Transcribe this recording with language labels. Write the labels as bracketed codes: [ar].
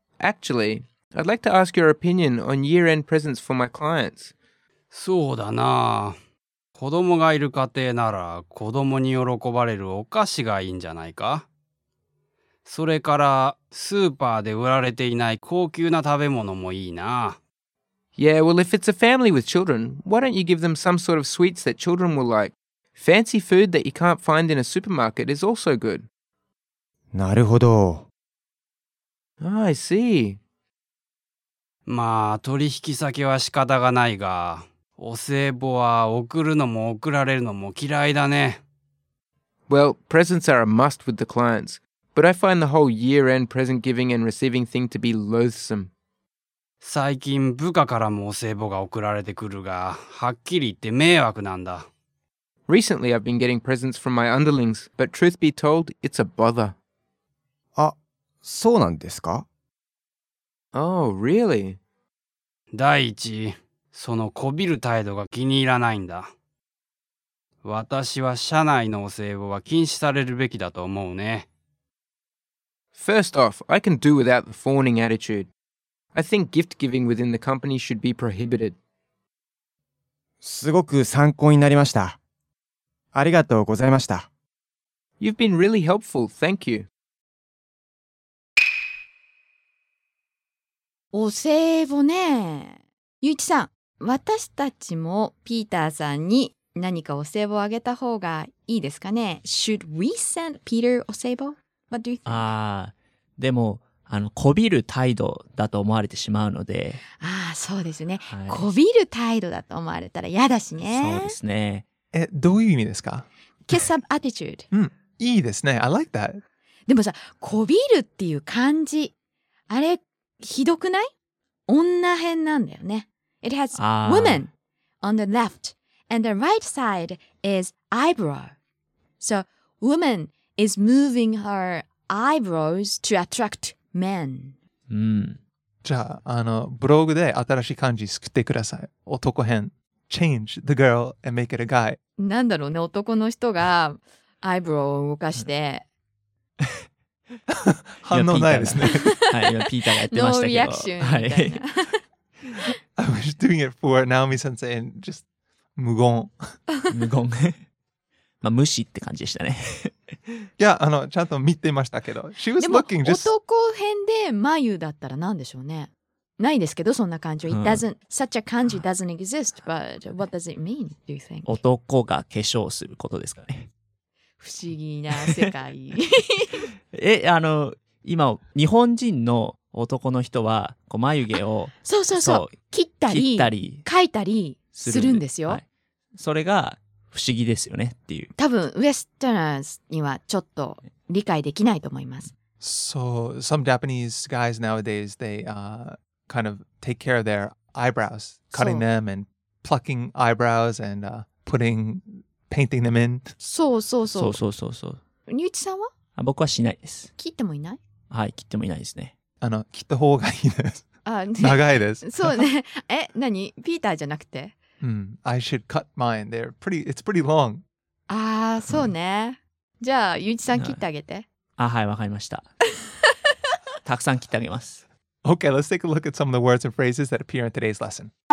[en] Actually, I'd like to ask your opinion on year-end presents for my clients. [ja] そうだな。子供がいる家庭なら、子供に喜ばれるお菓子がいいんじゃないか？それから、スーパーで売られていない高級な食べ物もいいな。 [en] Yeah, well, if it's a family with children, why don't you give them some sort of sweets that children will like? Fancy food that you can't find in a supermarket is also good. [ja] なるほど。 [en] Ah, I see. [ja] まあ、取引先は仕方がないが、お歳暮は送るのも送られるのも嫌いだね。 [en] Well, presents are a must with the clients, but I find the whole year-end present giving and receiving thing to be loathsome. [ja] 最近部下からもお歳暮が送られてくるが、はっきり言って迷惑なんだ。 [en] Recently I've been getting presents from my underlings, but truth be told, it's a bother. [ja] あ、そうなんですか？ [en] Oh, really? [ja] 第一、そのこびる態度が気に入らないんだ。私は社内のお歳暮は禁止されるべきだと思うね。 [en] First off, I can do without the fawning attitude. I think gift-giving within the company should be prohibited. [ja] すごく参考になりました。ありがとうございました。 [en] You've been really helpful, thank you. [ja] お歳暮ね。ゆういちさん、私たちもピーターさんに何かお歳暮をあげた方がいいですかね。 [en] Should we send Peter お歳暮?What do you think? [ja] ああ、でも…あの、こびる態度だと思われてしまうので。ああ、そうですね。はい、こびる態度だと思われたら嫌だしね。そうですね。え、どういう意味ですか？ [en] Kiss up attitude. [ja] うん、いいですね。 [en] I like that. [ja] でもさ、こびるっていう漢字、あれ、ひどくない？女編なんだよね。 [en] It has woman on the left, and the right side is eyebrow. So, woman is moving her eyebrows to attract men. [ja] うん。じゃあ、あの、ブログで新しい漢字作ってください。男編。 [en] Change the girl and make it a guy. [ja] なんだろうね、男の人がアイブロウを動かして。反応ないですね。はい、今ピーターがやってましたけど。ノーリアクションみたいな。 [en] はい。I was doing it for Naomi sensei and just 無言。 [ja] 無言。まあ、無視って感じでしたね。いや、あの、ちゃんと見てましたけど。 [en] She was looking just... [ja] でも、男編で眉だったら何でしょうね。ないですけど、そんな感じ。うん、 [en] It doesn't... Such a 感じ doesn't exist, but what does it mean, do you think? [ja] 男が化粧することですかね。不思議な世界。え、あの、今、日本人の男の人は、こう眉毛を、そう、切ったり、描いたりするんですよ。はい、それが、不思議ですよねっていう。多分ウェスターナーズにはちょっと理解できないと思います。 [en] So some Japanese guys nowadays they kind of take care of their eyebrows, cutting them and plucking eyebrows and putting painting them in. [ja] そう。ニューチさんは？あ、僕はしないです。切ってもいない？はい、切ってもいないですね。あの、切った方がいいです。あ、ね、長いです。そうね。え、何？ピーターじゃなくて？ [en] I should cut mine. They're pretty. It's pretty long. [ja] ああ、そうね。じゃあゆういちさん切ってあげて。あ、はい、わかりました。たくさん切ってあげます。 [en] Okay, let's take a look at some of the words and phrases that appear in today's lesson.